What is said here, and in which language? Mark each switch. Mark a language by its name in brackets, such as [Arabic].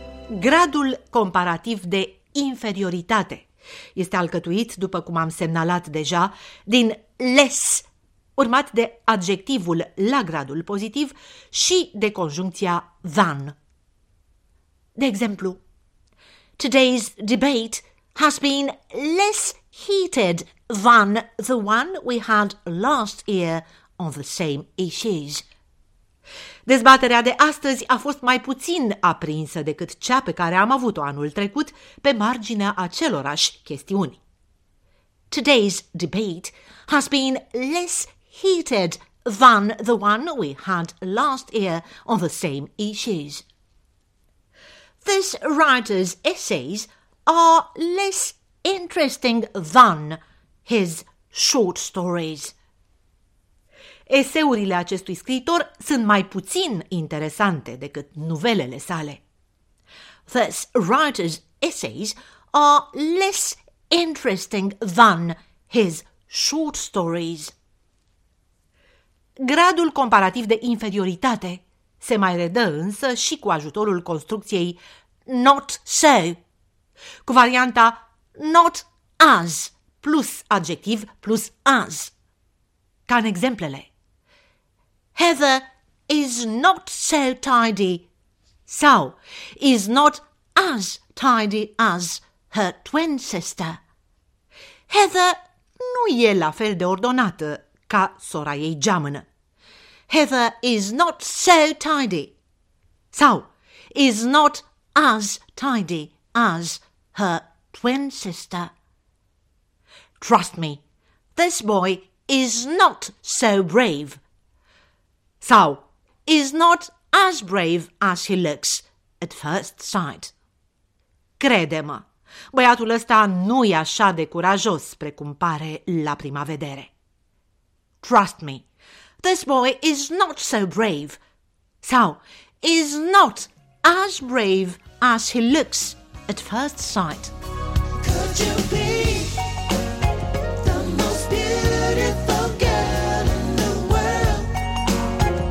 [Romanian] Gradul comparativ de inferioritate este alcătuit, după cum am semnalat deja, din less, urmat de adjectivul la gradul pozitiv și de conjuncția than. De exemplu, [English] today's debate has been less heated than the one we had last year on the same issues. [Romanian] Dezbaterea de astăzi a fost mai puțin aprinsă decât cea pe care am avut-o anul trecut pe marginea acelorași chestiuni. [English] Today's debate has been less heated than the one we had last year on the same issues. This writer's essays are less interesting than his short stories. [Romanian] Eseurile acestui scriitor sunt mai puțin interesante decât novelele sale. [English] This writer's essays are less interesting than his short stories. [Romanian] Gradul comparativ de inferioritate se mai redă însă și cu ajutorul construcției not so, cu varianta not as plus adjectiv plus as. Ca în exemplele. [English] Heather is not so tidy. So, is not as tidy as her twin sister. [Romanian] Heather nu e la fel de ordonată ca sora ei geamănă. [English] Heather is not so tidy. [Romanian] Sau [English] is not as tidy as her twin sister. Trust me, this boy is not so brave. [Romanian] Sau [English] is not as brave as he looks at first sight. [Romanian] Crede-mă, băiatul ăsta nu e așa de curajos precum pare la prima vedere. [English] Trust me, this boy is not so brave. [Romanian] Sau [English] is not as brave as he looks at first sight. Could you be the most beautiful girl in the world?